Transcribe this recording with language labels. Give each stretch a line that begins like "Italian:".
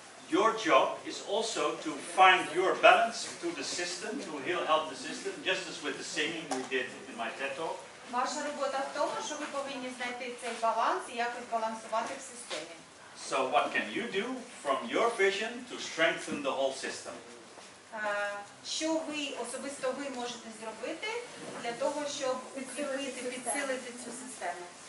English: Your job is also to find your balance to the system, to help the system, just as with the singing we did in my TED talk.
Ukrainian: Ваша робота в тому, що ви повинні знайти цей баланс і якось балансувати в системі.
English: So what can you do from your vision to strengthen the whole system?
Ukrainian: Що ви особисто ви можете зробити для того, щоб підсилити цю систему?